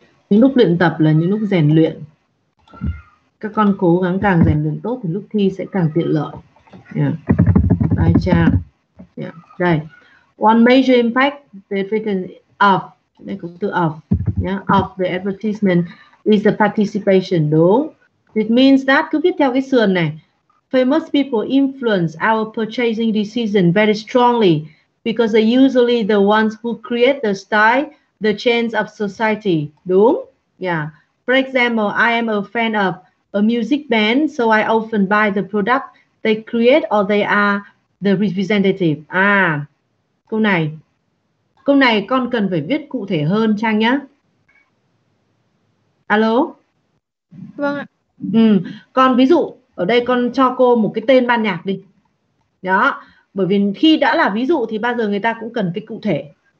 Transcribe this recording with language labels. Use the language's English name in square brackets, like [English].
[Vietnamese] Những lúc luyện tập là những lúc rèn luyện. Các con cố gắng càng rèn luyện tốt thì lúc thi sẽ càng tiện lợi. Bài Trang. Đây. [English] One major impact the effectiveness of. [Vietnamese] Đây cũng từ [English] of. Of the advertisement is the participation. [Vietnamese] Đúng. [English] It means that, [Vietnamese] cứ viết theo cái sườn này. [English] Famous people influence our purchasing decision very strongly because they're usually the ones who create the style, the change of society. [Vietnamese] Đúng? [English] Yeah. For example, I am a fan of a music band, so I often buy the product they create or they are the representative. [Vietnamese] À, câu này con cần phải viết cụ thể hơn, Trang nhé. Alo? Vâng ạ. Con ví dụ, ở đây con cho cô một cái tên ban nhạc đi. Đó, bởi vì khi đã là ví dụ thì bao giờ người ta cũng cần cái cụ thể.